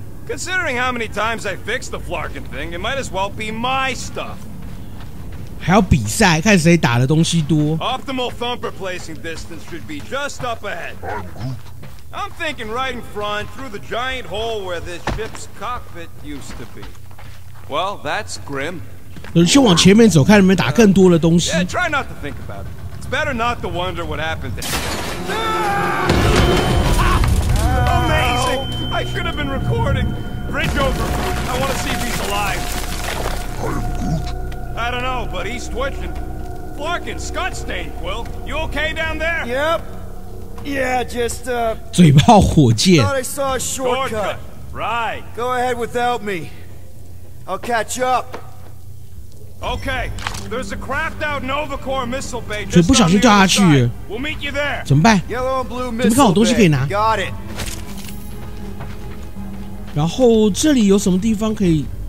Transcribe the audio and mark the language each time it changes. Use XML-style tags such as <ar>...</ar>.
<en>Considering how many times I fixed the Flarkin thing, it might as well be my stuff.</en> <zh>还要比赛，看谁打的东西多。</zh> <en>Optimal thumper placing distance should be just up ahead. I'm thinking right in front, through the giant hole where this ship's cockpit used to be. Well, that's grim.</en> <zh>先往前面走，看能不能打更多的东西。</zh> <en>Yeah, try not to think about it. It's better not to wonder what happened to him. Amazing! I should have been recording. Bridge over. I want to see if he's alive. I don't know, but he's twitching. Flarkin, Scott Stain, Quill, you okay down there? Yep. Yeah, just,</en> <zh>嘴炮火箭。</zh> <en>Thought I saw a shortcut. Right. Go ahead without me. I'll catch up. Okay, there's a craft out Novacore missile bay.</en> <zh>嘴不小心掉下去。</zh> <en>We'll meet you there.</en> <zh>怎么办</zh> <en>？Yellow and blue missile bay.</en> <zh>怎么看我东西可以拿</zh> <en>？Got it.</en> <zh>然后这里有什么地方可以？</zh>